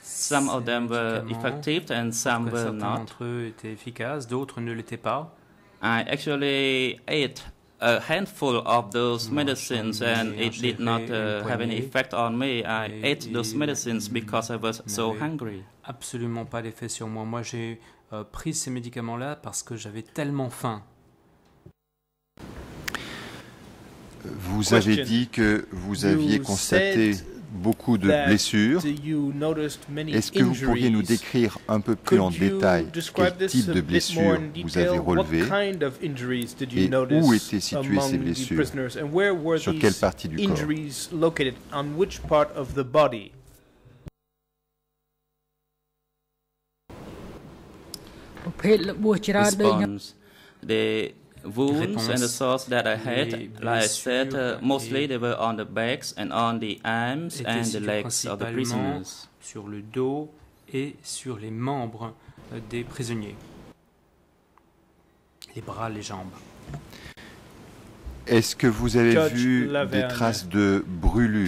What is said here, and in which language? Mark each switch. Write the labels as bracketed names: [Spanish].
[English] Some of them were effective and some were not. [French] D'entre eux étaient efficaces, d'autres ne l'étaient pas. [English] I actually ate a handful of those medicines and it did not have any effect on me. I ate those medicines because I was so hungry. [French] Absolument pas d'effet sur moi. Moi, j'ai pris ces médicaments-là parce que j'avais tellement faim. Vous avez dit que vous aviez constaté beaucoup de blessures. Est-ce que vous pourriez nous décrire un peu plus en détail quel type de blessures vous avez relevées et où étaient situées ces blessures, sur quelle partie du corps? [English] Wounds and the sores that I had, like I said, mostly they were on the backs and on the arms and the legs of the prisoners. [French] Sur le dos et sur les membres des prisonniers. Les bras, les jambes. Est-ce que vous avez vu des traces de brûlures?